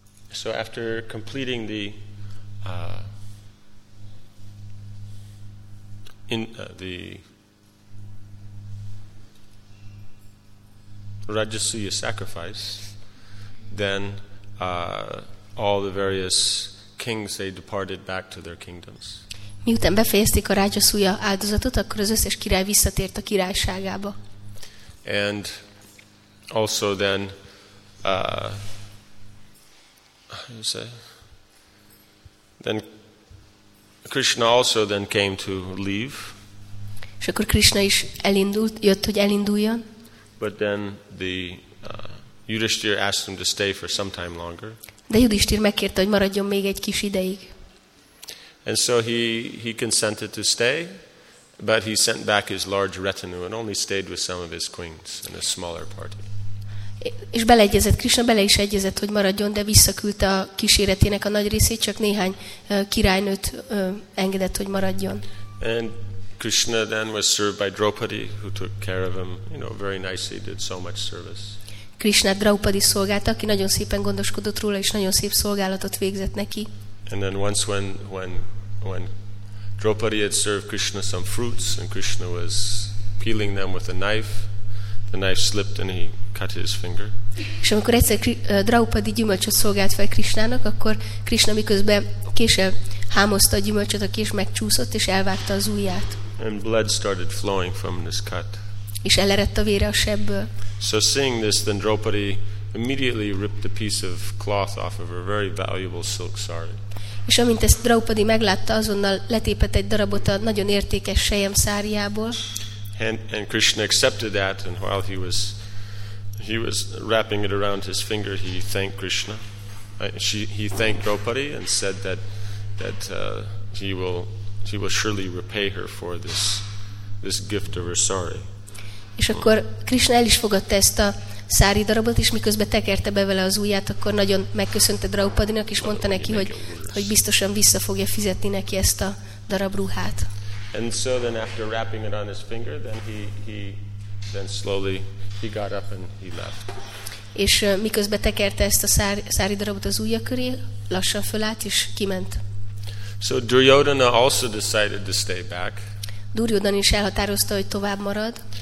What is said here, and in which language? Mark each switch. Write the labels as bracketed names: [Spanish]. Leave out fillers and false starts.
[English] So after completing the the Rajasuya sacrifice, then all the various kings, they departed back to their kingdoms. [Hungarian] Miután befejezték a Rajasuya áldozatot, akkor az összes király visszatért a királyságába. [English] And also then then Krishna also then came to leave. [Hungarian] És akkor Krishna is elindult, jött, hogy elinduljon. [English] But then the Yudhisthira asked him to stay for some time longer. [Hungarian] De Yudhisthira megkérte, hogy maradjon még egy kis ideig. [English] And so he consented to stay, but he sent back his large retinue and only stayed with some of his queens and a smaller party. [Hungarian] És beleegyezett, Krishna bele is egyezett, hogy maradjon, de visszaküldte a kíséretének a nagy részét, csak néhány királynőt engedett, hogy maradjon. [English] And Krishna then was served by Draupadi, who took care of him, you know, very nicely, did so much service. [Hungarian] Krishna Draupadi szolgálta, aki nagyon szépen gondoskodott róla, és nagyon szép szolgálatot végzett neki. [English] And then once when Draupadi had served Krishna some fruits and Krishna was peeling them with a knife, the knife slipped and he cut his finger. [Hungarian] És amikor egyszer Draupadi gyümölcsöt szolgált fel Krishnának, akkor Krishna miközben késsel hámozta a gyümölcsöt, a kés megcsúszott és elvágta az ujját. [English] And blood started flowing from this cut. [Hungarian] És elerett a vére a sebből. [English] So seeing this, then Draupadi immediately ripped a piece of cloth off of her very valuable silk sari. [Hungarian] És amint ezt Draupadi meglátta, azonnal letépett egy darabot a nagyon értékes selyem száriából. [English] And Krishna accepted that, and while he was wrapping it around his finger, he thanked Krishna. He thanked Draupadi and said that he will surely repay her for this gift of her sari. [Hungarian] És akkor Krishna el is fogadta ezt a szári darabot, és miközben tekerte be vele az ujját, akkor nagyon megköszönte Draupadinak, és mondta neki, hogy biztosan vissza fogja fizetni neki ezt a darab ruhát. [English] And so then after wrapping it on his finger, then he slowly he got up and he left. [Hungarian] És miközben tekerte ezt a szári darabot az ujja köré, lassan fölállt és kiment. [English] So Duryodhana also decided to stay back. [Hungarian] Duryodhana is elhatározta, hogy tovább marad.